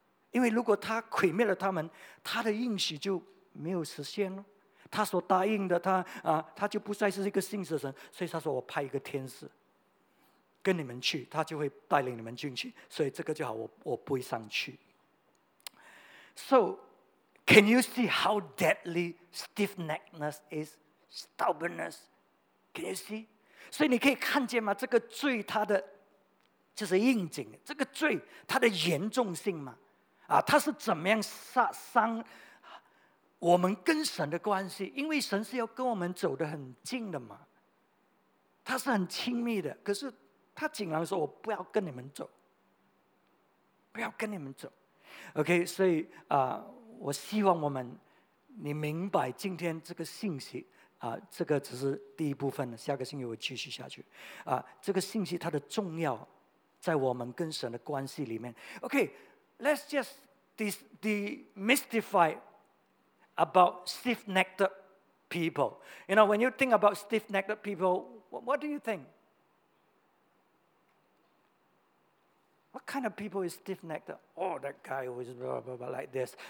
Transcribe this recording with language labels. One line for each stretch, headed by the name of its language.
Chinese: 因为如果他毁灭了他们，他的应许就没有实现了，他所答应的 他就不再是一个信实神。所以他说我派一个天使跟你们去，他就会带领你们进去，所以这个就好， 我不会上去。
English: So can you see how deadly stiff-neckedness is? Stubbornness. Can you see?
Chinese: 所以你可以看见吗？这个罪它的就是应景，这个罪它的严重性吗？它是怎么样伤我们跟神的关系？因为神是要跟我们走得很近的嘛，他是很亲密的，可是他竟然说我不要跟你们走，不要跟你们走。 OK, 所以、我希望我们你明白今天这个信息啊、这个只是第一部分，下个星期我继续下去、这个信息它的重要在我们跟神的关系里面。
English: OK, let's just demystify about stiff-necked people. You know, when you think about stiff-necked people, what do you think? What kind of people is stiff-necked? Oh, that guy was blah, blah, blah, like this.